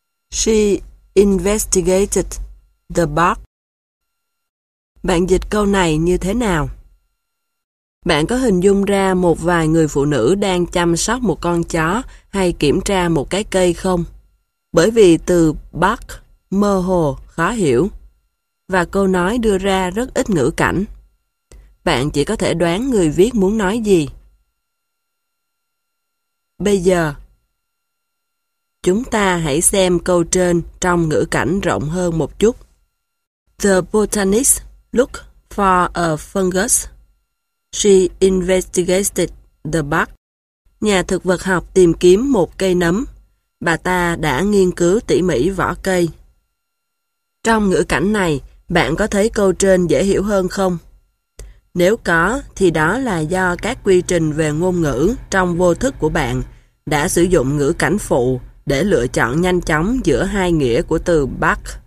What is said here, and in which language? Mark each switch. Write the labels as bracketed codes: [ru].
[en] She investigated the bug. [vi] Bạn dịch câu này như thế nào? Bạn có hình dung ra một vài người phụ nữ đang chăm sóc một con chó hay kiểm tra một cái cây không? Bởi vì từ bug mơ hồ, khó hiểu. Và câu nói đưa ra rất ít ngữ cảnh. Bạn chỉ có thể đoán người viết muốn nói gì. Bây giờ, chúng ta hãy xem câu trên trong ngữ cảnh rộng hơn một chút. [en] The botanist looked for a fungus. She investigated the bug. [vi] Nhà thực vật học tìm kiếm một cây nấm. Bà ta đã nghiên cứu tỉ mỉ vỏ cây. Trong ngữ cảnh này, bạn có thấy câu trên dễ hiểu hơn không? Nếu có, thì đó là do các quy trình về ngôn ngữ trong vô thức của bạn đã sử dụng ngữ cảnh phụ để lựa chọn nhanh chóng giữa hai nghĩa của từ bug.